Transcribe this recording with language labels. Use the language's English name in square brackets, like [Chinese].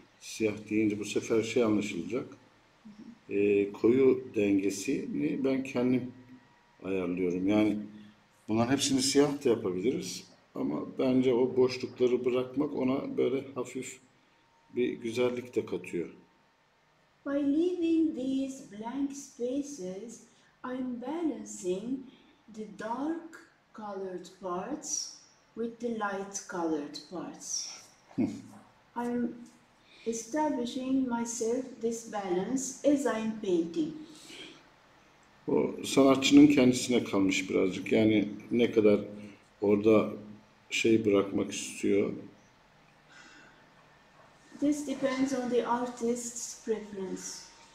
[Turkish] Siyah deyince bu sefer şey anlaşılacak. Koyu dengesini ben kendim ayarlıyorum. Yani bunların hepsini siyah da yapabiliriz. Ama bence o boşlukları bırakmak ona böyle hafif bir güzellik de katıyor. [English] By leaving these blank spaces, I'm balancing the dark colored parts with the light colored parts. I'm establishing myself this balance as I'm painting. [Turkish] O sanatçının kendisine kalmış birazcık. Yani ne kadar orada şey bırakmak istiyor. [English] This depends on the artist's preference.